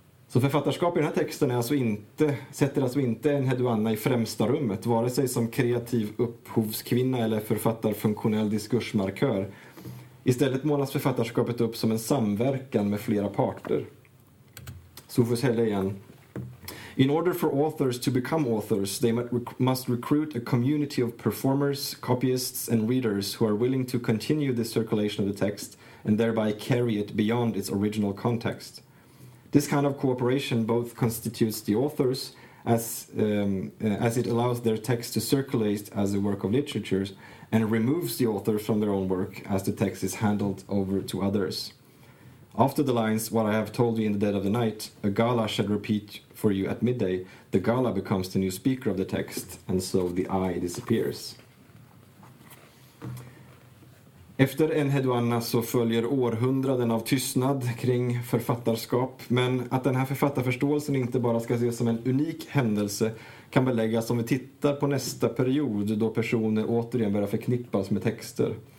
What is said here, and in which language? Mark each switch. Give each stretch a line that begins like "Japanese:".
Swedish: Så författarskap i den här texten är alltså inte, sätter alltså inte en hedoanna i främsta rummet, vare sig som kreativ upphovskvinna eller författarfunktionell diskursmarkör. Istället målas författarskapet upp som en samverkan med flera parter. Sophus Helle igen.
English: In order for authors to become authors, they must recruit a community of performers, copyists and readers who are willing to continue the circulation of the text and thereby carry it beyond its original context. This kind of cooperation both constitutes the authors as it allows their text to circulate as a work of literature and removes the author from their own work as the text is handled over to others. After the lines, what I have told you in the dead of the night, a gala shall repeat for you at midday. The gala becomes the new speaker of the text, and so the eye disappears.
Swedish: Efter en hedoanna så följer århundraden av tystnad kring författarskap. Men att den här författarförståelsen inte bara ska ses som en unik händelse kan beläggas om vi tittar på nästa period då personer återigen börjar förknippas med texter.